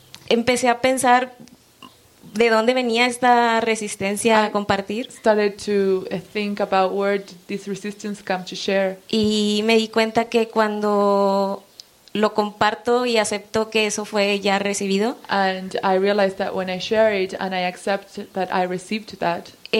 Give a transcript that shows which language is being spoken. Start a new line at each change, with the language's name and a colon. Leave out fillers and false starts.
Spanish: Empecé a pensar de dónde venía esta resistencia a compartir.
English: I started to think about where did this resistance come to share.
Spanish: Y me di cuenta que cuando lo comparto y acepto que eso fue ya recibido.
English: And I realized that when I share it and I accept that I received that.